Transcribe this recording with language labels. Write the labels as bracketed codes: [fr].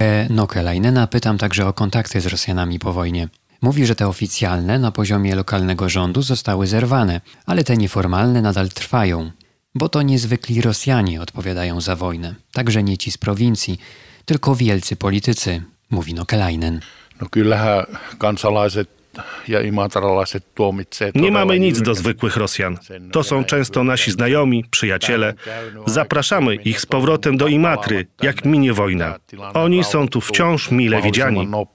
[pl] Nokelainena pytam także o kontakty z Rosjanami po wojnie. Mówi, że te oficjalne na poziomie lokalnego rządu zostały zerwane, ale te nieformalne nadal trwają. Bo to niezwykli Rosjanie odpowiadają za wojnę, także nie ci z prowincji, tylko wielcy politycy, mówi Nokelainen. [fi] No kyllähän kansalaiset ja imatralaiset tuomitsee. [pl] Nie mamy nic do zwykłych Rosjan. To są często nasi znajomi, przyjaciele. Zapraszamy ich z powrotem do Imatry, jak minie wojna. Oni są tu wciąż mile widziani.